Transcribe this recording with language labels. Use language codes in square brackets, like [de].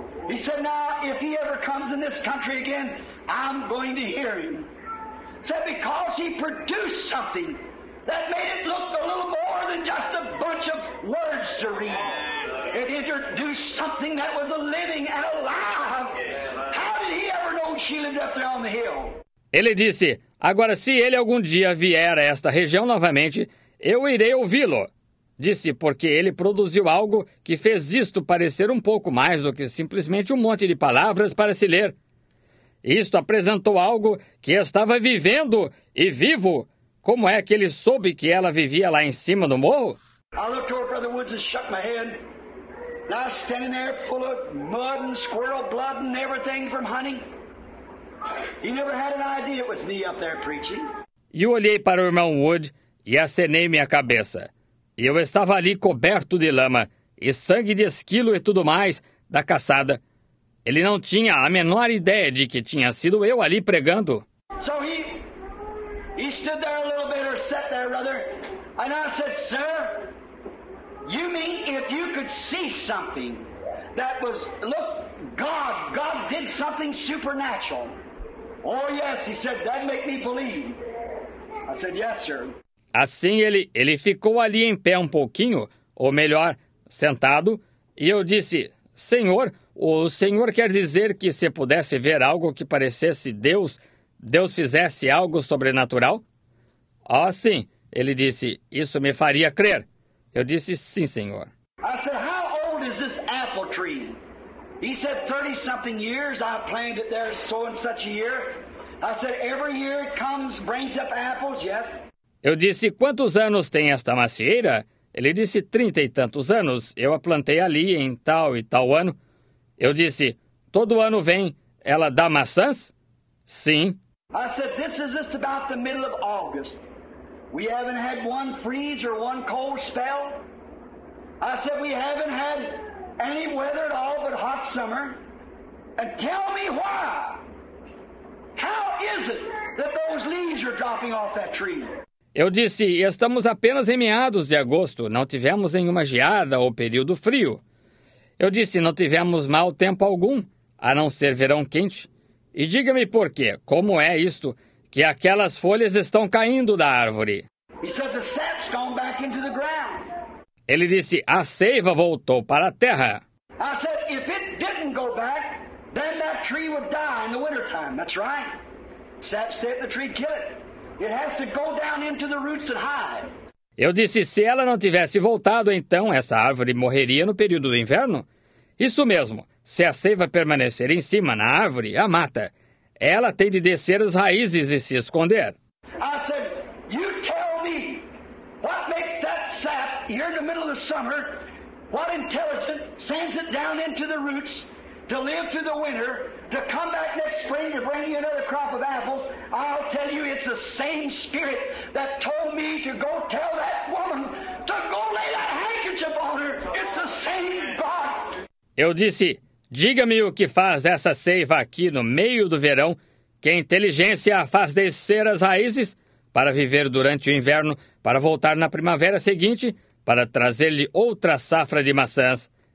[en] He said, now, if he ever comes in this country again, I'm going to hear him. Said, because he produced something that made it look a little more than just a bunch of words to read. It introduced something that was a living and alive. How did he ever know she lived up there on the hill? [pt] Ele disse, agora se ele algum dia vier a esta região novamente, eu irei ouvi-lo. Disse, porque ele produziu algo que fez isto parecer um pouco mais do que simplesmente um monte de palavras para se ler. Isto apresentou algo que estava vivendo e vivo. Como é que ele soube que ela vivia lá em cima do morro? [en] I looked over Brother Woods and shut my head. Now standing there full of mud and squirrel blood and everything from hunting. He never had an idea it was me up there preaching. [pt] Eu olhei para o irmão Wood e acenei minha cabeça. Eu estava ali coberto de lama e sangue de esquilo e tudo mais da caçada. Ele não tinha a menor ideia de que tinha sido eu ali pregando. [en] So he stood there a little bit or sat there rather, and I said, sir, you mean if you could see something that was, look, God did something supernatural. Oh yes, he said, that make me believe. I said, yes, sir. [pt] Assim ele ficou ali em pé um pouquinho, ou melhor, sentado, e eu disse, senhor, o senhor quer dizer que se pudesse ver algo que parecesse Deus, Deus fizesse algo sobrenatural? Ah, sim, ele disse, isso me faria crer. Eu disse, sim, senhor. [en] I said, how old is this apple tree? He said, 30-something years, I planted it there so and such a year. I said, every year it comes, brings up apples, yes. [pt] Eu disse, quantos anos tem esta macieira? Ele disse, 30 e tantos anos. Eu a plantei ali em tal e tal ano. Eu disse, todo ano vem, ela dá maçãs? Sim. [en] I said, this is just about the middle of August. We haven't had one freeze or one cold spell. I said, we haven't had any weather at all but hot summer. And tell me why. How is it that those leaves are dropping off that tree? [pt] Eu disse, estamos apenas em meados de agosto, não tivemos nenhuma geada ou período frio. Eu disse, não tivemos mau tempo algum, a não ser verão quente. E diga-me por quê, como é isto, que aquelas folhas estão caindo da árvore? [en] He said, the sap's gone back into the ground. [pt] Ele disse, a seiva voltou para a terra. [en] I said, if it didn't go back, then that tree would die in the wintertime, that's right. Sap stay at the tree, kill it. It has to go down into the roots and hide. [pt] Eu disse, se ela não tivesse voltado, então essa árvore morreria no período do inverno? Isso mesmo. Se a seiva permanecer em cima na árvore, a mata. Ela tem de descer as raízes e se esconder. [en] I said, you tell me what makes that sap here in the middle of the summer, what intelligent sends it down into the roots to live through the winter, to come back next spring to bring you another crop of apples, I'll tell you it's the same spirit that told me to go tell that woman to go lay that handkerchief on her. It's the same God. [pt] Eu disse, diga-me o que faz essa seiva aqui no meio do verão, que a inteligência faz descer as raízes para viver durante o inverno, para voltar na primavera seguinte, para trazer-lhe outra safra de maçãs.